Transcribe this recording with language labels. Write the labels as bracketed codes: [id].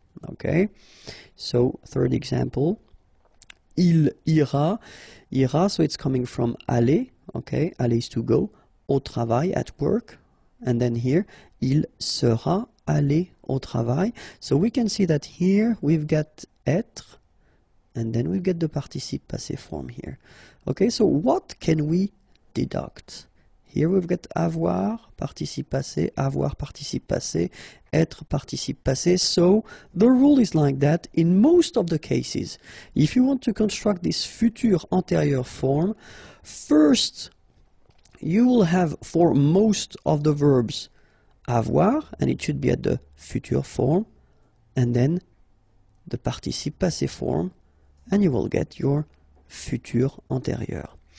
[en] Okay, so third example, [fr] il ira, ira, [en] so it's coming from aller, okay, aller is to go, [fr] au travail, [en] at work, and then here, [fr] il sera allé au travail, [en] so we can see that here we've got être, and then we've got the participe passé form here. Okay, so what can we deduct? Here we've got avoir, participe passé, avoir, participe passé, être, participe passé. So the rule is like that in most of the cases. If you want to construct this future anterior form, first you will have for most of the verbs avoir, and it should be at the future form, and then the participe passé form, and you will get your future anterior.